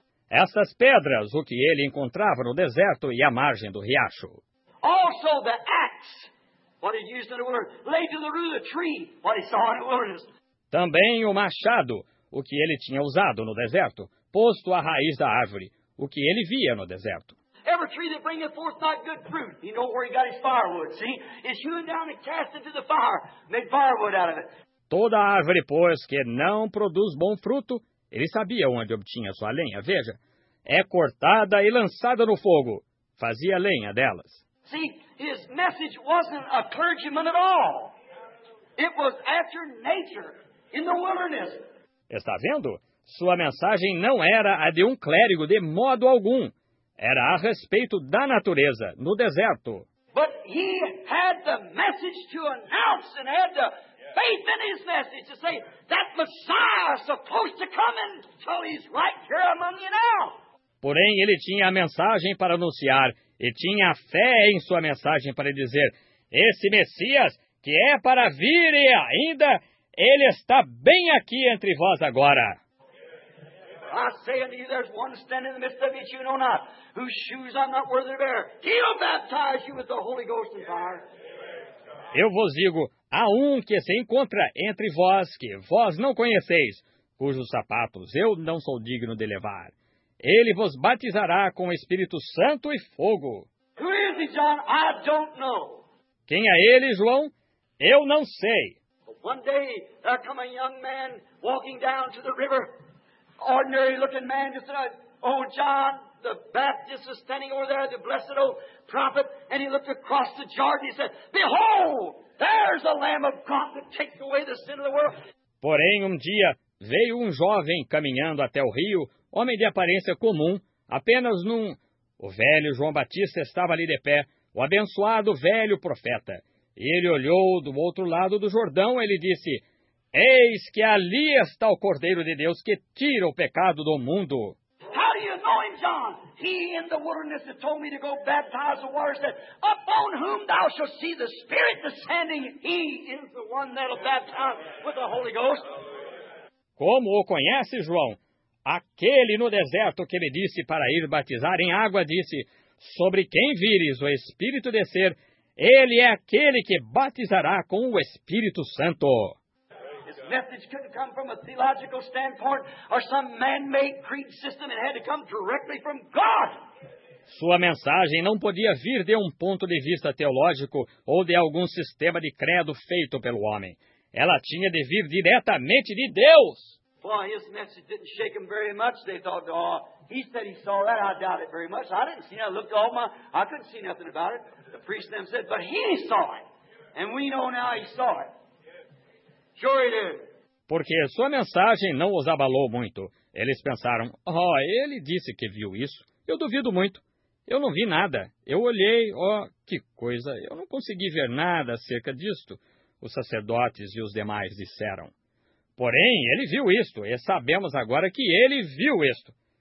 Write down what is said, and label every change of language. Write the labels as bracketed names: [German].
[Portuguese] Essas pedras, o que ele encontrava no deserto e à margem do riacho. [English] Also the axe, what he used in the wilderness, laid to the root of the tree, what he saw in the wilderness. [Portuguese] Também o machado, o que ele tinha usado no deserto, posto à raiz da árvore, o que ele via no deserto. [English] Every tree that bringeth forth not good fruit, you know where he got his firewood, see? It's hewn down and cast into the fire, made firewood out of it. [Portuguese] Toda árvore, pois, que não produz bom fruto, ele sabia onde obtinha sua lenha, veja. É cortada e lançada no fogo, fazia lenha delas. [English] See, his message wasn't a clergyman at all. It was after nature, in the wilderness. [Portuguese] Está vendo? Sua mensagem não era a de um clérigo de modo algum. Era a respeito da natureza, no deserto. [English] But he had the message to announce and had the faith in his message to say, that Messiah is supposed to come and so he's right here among you now. [Portuguese] Porém, ele tinha a mensagem para anunciar e tinha fé em sua mensagem para dizer: esse Messias, que é para vir e ainda, ele está bem aqui entre vós agora. [English] I say unto you, there's one standing in the midst of you, you know not, whose shoes I'm not worthy to bear. He'll baptize you with the Holy Ghost and fire. [Portuguese] Eu vos digo, há um que se encontra entre vós, que vós não conheceis, cujos sapatos eu não sou digno de levar. Ele vos batizará com o Espírito Santo e fogo. [English] Who is he, John? I don't know. [Portuguese] Quem é ele, João? Eu não sei. [English] One day, there come a young man walking down to the river. Ordinary looking man, just said, oh, John, the Baptist is standing over there, the blessed old prophet. And he looked across the Jordan and he said, behold, there's the Lamb of God that takes away the sin of the world. [Portuguese] Porém, dia, veio jovem caminhando até o rio, homem de aparência comum, apenas num... O velho João Batista estava ali de pé, o abençoado velho profeta. E ele olhou do outro lado do Jordão e ele disse, eis que ali está o Cordeiro de Deus que tira o pecado do mundo. [English] How do you know him, John? He in the wilderness that told me to go baptize the waters that upon whom thou shalt see the Spirit descending, he is the one that'll baptize with the Holy Ghost. [Portuguese] Como o conhece, João? Aquele no deserto que me disse para ir batizar em água disse, sobre quem vires o Espírito descer, ele é aquele que batizará com o Espírito Santo. [English] His message couldn't come from a theological standpoint or some man-made creed system. It had to come directly from God. [Portuguese] Sua mensagem não podia vir de ponto de vista teológico ou de algum sistema de credo feito pelo homem. Ela tinha de vir diretamente de Deus. [English] Boy, his message didn't shake him very much. They thought, oh, he said he saw that. I doubt it very much. I didn't see it. I looked all my... I couldn't see nothing about it. The priest them said, but he saw it. And we know now he saw it. Sure he did. [Portuguese] Porque sua mensagem não os abalou muito. Eles pensaram, oh, ele disse que viu isso. Eu duvido muito. Eu não vi nada. Eu olhei, oh, que coisa. Eu não consegui ver nada acerca disto. Os sacerdotes e os demais disseram. Porém, ele viu isto, e sabemos agora que ele viu isto.